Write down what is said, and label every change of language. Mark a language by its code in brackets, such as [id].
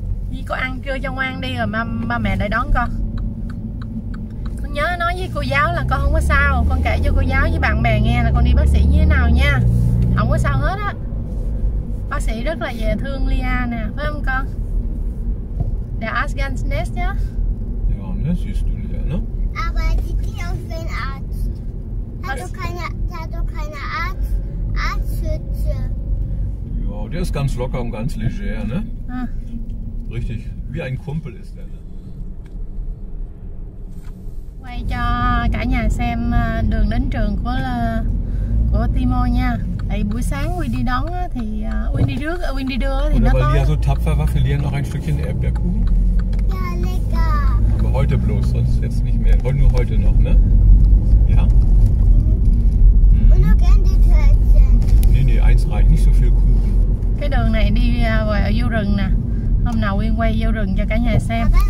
[vi] Dì có ăn trưa cho ngoan đi rồi ba mẹ lại đón con. Con nhớ nói với cô giáo là con không có sao, con kể cho cô giáo với bạn bè nghe là con đi bác sĩ như thế nào nha. Không có sao hết á. Bác sĩ rất là dễ thương Lia nè, phải không con? [de] Der ist ganz nett, ja? Ja, ne, siehst du ja, ne? Aber er sieht nicht aus wie ein Arzt. Er hat doch keine Arzthütze. Ja, der ist ganz locker und ganz leger, ne? Ah. Richtig, wie ein Kumpel ist er, ne? [vi] Quay cho cả nhà xem đường đến trường của Timo nha. Tại buổi sáng Win đi đón thì Win đi trước, Win đi đưa thì [de] oder [vi] nó có. Lia [de] so tapfer war für Lia noch ein Stückchen Erdbeerkuchen. Ja, lecker. Aber heute bloß, sonst jetzt nicht mehr. Wollen nur heute noch, ne? Ja. Und noch Candy-Törtchen. Nee, eins reicht, nicht so viel Kuchen. [vi] Cái đường này đi vào ở vô rừng nè. Hôm nào Win quay vô rừng cho cả nhà xem.